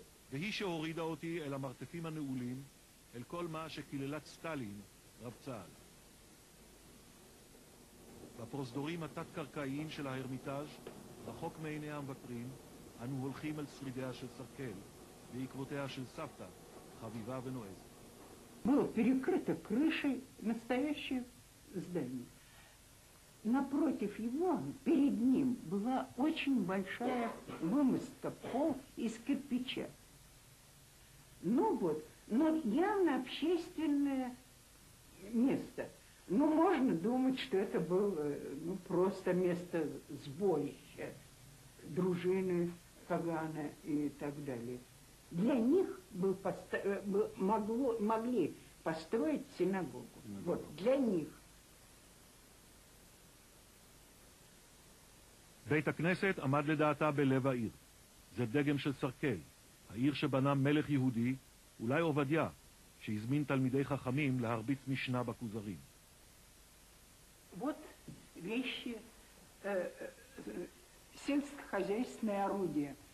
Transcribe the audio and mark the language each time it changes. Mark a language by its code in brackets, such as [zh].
[he] והיא שהורידה אותי אל המרתפים הנעולים, אל כל מה שקללת סטלין רבצה עליו. בפרוזדורים התת-קרקעיים של ההרמיטאז', רחוק מעיני המבקרים, אנו הולכים אל שרידיה של סרקל, בעקבותיה של סבתא, חביבה ונועזת. [ru] Было перекрыто крышей настоящее здание. Напротив его, перед ним, была очень большая вымостка, пол из кирпича. Ну вот, но явно общественное место. Ну, можно думать, что это было ну, просто место сборища, дружины Кагана и так далее. Для них был могли построить синагогу. Вот, для них. [he] בית הכנסת עמד לדעתה בלב העיר. זה דגם של סרקל, העיר שבנה מלך יהודי, אולי עובדיה, שהזמין תלמידי חכמים להרביץ משנה בכוזרים. [ru] Вот вещи, сельскохозяйственное орудие.